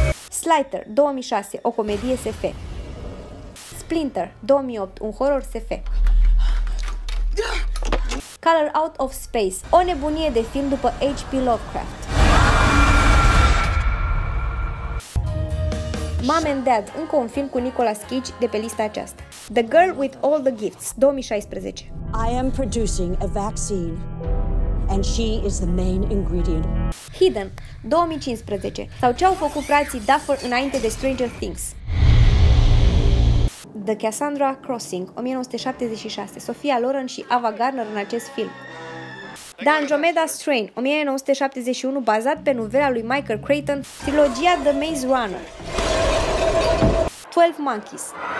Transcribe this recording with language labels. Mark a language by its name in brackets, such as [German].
[Romanian] Slither, 2006, o comedie SF. Splinter, 2008, un horror SF. Color Out of Space, o nebunie de film după H.P. Lovecraft. Mom and Dad, încă un film cu Nicolas Cage de pe lista aceasta. [English] The Girl with All the Gifts, 2016. I am producing a vaccine and she is the main ingredient. [Romanian] Hidden, 2015, sau ce au făcut frații Duffer înainte de Stranger Things. The Cassandra Crossing, 1976, Sophia Loren și Ava Gardner în acest film. The Andromeda Strain, 1971, bazat pe novela lui Michael Crichton, trilogia The Maze Runner. 12 Monkeys.